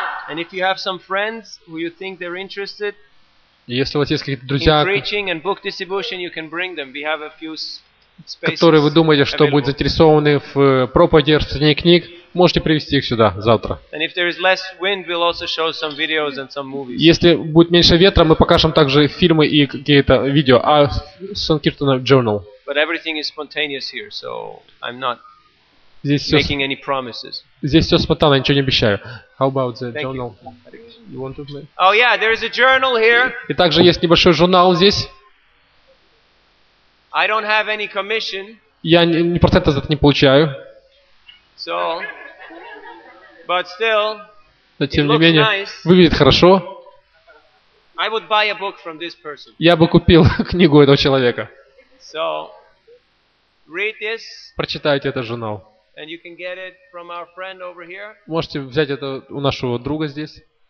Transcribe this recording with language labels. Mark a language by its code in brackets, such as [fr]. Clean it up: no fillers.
[en] And if you have some friends who you think they're interested in preaching and book distribution, you can bring them. We have a few [ru] которые вы думаете, что будут заинтересованы в проповеди, распространении книг, можете привезти их сюда завтра. Если будет меньше ветра, мы покажем также фильмы и какие-то видео, а Санкиртана Journal. Здесь все спонтанно, ничего не обещаю. [en] How about the journal? You want to play? Oh yeah, there is a journal here. [ru] И также есть небольшой журнал здесь. [en] I don't have any commission. [ru] Я ни процента за это не получаю. [en] So, but still, [ru] но тем не менее, выглядит хорошо. [en] I would buy a book from this person. [ru] Я бы купил книгу этого человека. [en] So, read this. [ru] Прочитайте этот журнал. [en] And you can get it from our friend over here. [ru] Можете взять это у нашего друга здесь.